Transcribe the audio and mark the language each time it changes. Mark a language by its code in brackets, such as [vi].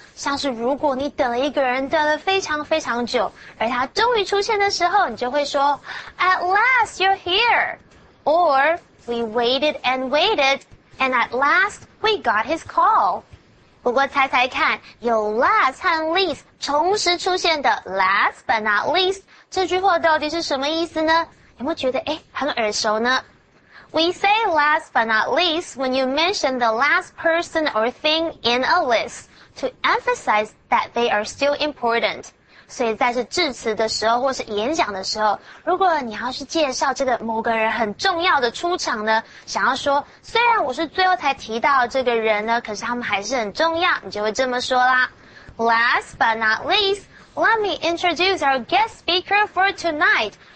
[zh] 像是如果你等了一个人等了非常非常久，而他终于出现的时候，你就会说 [en] at last you're here， or we waited and waited and at last we got his call。 [zh] 不过猜猜看，有 last 和 least 同时出现的 [en] last but not least [zh] 这句话到底是什么意思呢？有没有觉得诶很耳熟呢？ [en] We say last but not least when you mention the last person or thing in a list to emphasize that they are still important. [zh] 所以在是致辞的时候或是演讲的时候，如果你要是介绍这个某个人很重要的出场呢，想要说虽然我是最后才提到这个人呢，可是他们还是很重要，你就会这么说啦。 [en] Last but not least, let me introduce our guest speaker for tonight.